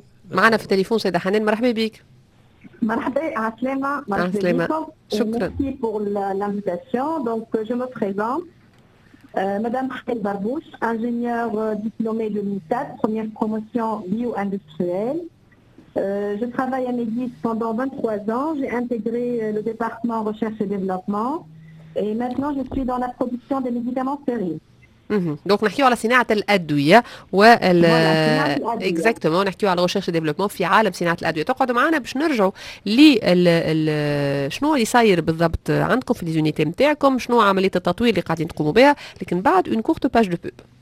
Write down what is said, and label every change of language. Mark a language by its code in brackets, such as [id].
[ar] معنا في التليفون سيده حنان، مرحبا بك. مرحبا، عسلامة. شكرا [fr] بور لانفيتاسيون. دونك جو مو بريزونت، Madame Raquel Barbouche, ingénieure diplômée de l'UNITAD, première promotion bio-industrielle. Je travaille à Médis pendant 23 ans. J'ai intégré le département recherche et développement. Et maintenant, je suis dans la production des médicaments stériles. [ar] دونك نحكيو على صناعة الأدوية وال اكزاكتومون نحكيو على الريشيرش ديفلوبمون في عالم صناعة الأدوية. تقعدوا معنا باش نرجعوا لل شنو اللي صاير بالضبط عندكم في ليزونيتي نتاعكم، شنو عملية التطوير اللي قاعدين تقوموا بها، لكن بعد [fr] اون كورت باج دو بوب.